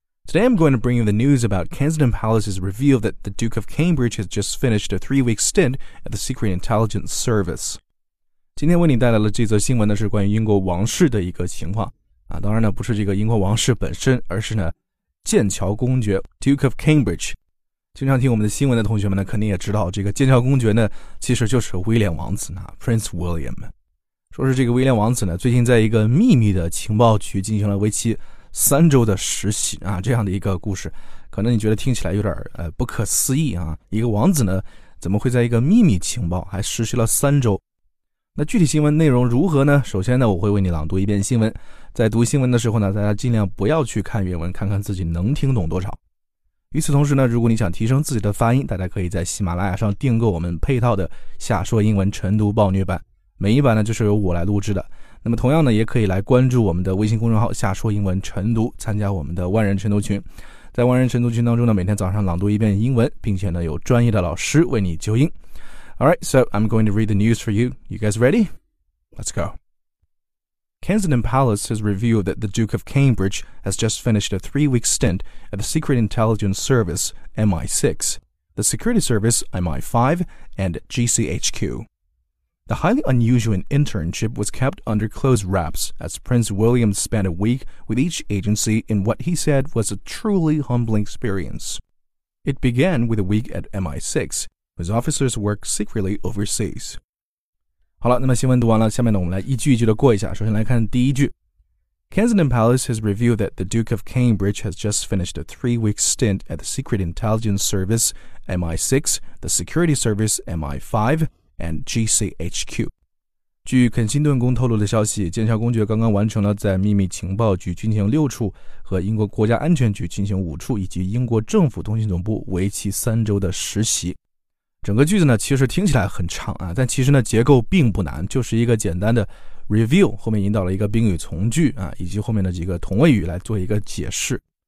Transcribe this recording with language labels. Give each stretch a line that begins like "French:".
English: Today, I'm going to bring you the news about Kensington Palace's reveal that the Duke of Cambridge has just finished a three-week stint at the Secret Intelligence Service.
Chinese: 今天为你带来了这则新闻呢，是关于英国王室的一个情况啊。当然呢，不是这个英国王室本身，而是呢，剑桥公爵 Duke of Cambridge。经常听我们的新闻的同学们呢，肯定也知道，这个剑桥公爵呢，其实就是威廉王子呢 ，Prince William。说是这个威廉王子呢，最近在一个秘密的情报局进行了为期3周的实习啊，这样的一个故事，可能你觉得听起来有点不可思议啊，一个王子呢怎么会在一个秘密情报还实习了3周？那具体新闻内容如何呢？首先呢，我会为你朗读一遍新闻，在读新闻的时候呢，大家尽量不要去看原文，看看自己能听懂多少。与此同时呢，如果你想提升自己的发音，大家可以在喜马拉雅上订购我们配套的夏说英文晨读暴虐版。每一版呢就是由我来录制的，那么同样呢也可以来关注我们的微信公众号夏说英文晨读，参加我们的万人晨读群，在万人晨读群当中呢，每天早上朗读一遍英文，并且呢有专业的老师为你纠音。
English: Alright, so I'm going to read the news for you. You guys ready? Let's go. Kensington Palace has revealed that the Duke of Cambridge has just finished a three-week stint at the Secret Intelligence Service, MI6, the Security Service, MI5, and GCHQ. The highly unusual internship was kept under close wraps as Prince William spent a week with each agency in what he said was a truly humbling experience. It began with a week at MI6, whose officers work secretly overseas.
Chinese: 好了，那么新闻读完了，下面呢，我们来一句一句的过一下。首先来看第一句。
English: Kensington Palace has revealed that the Duke of Cambridge has just finished a three-week stint at the Secret Intelligence Service, MI6, the Security Service, MI5,and GCHQ.
Chinese: 据肯辛顿宫透露的消息，剑桥公爵刚刚完成了在秘密情报局进行6处和英国国家安全局进行5处以及英国政府通信总部为期3周的实习。整个句子呢其实听起来很长啊，但其实呢结构并不难，就是一个简单的 review 后面引导了一个宾语从句啊，以及后面的几个同位语来做一个解释。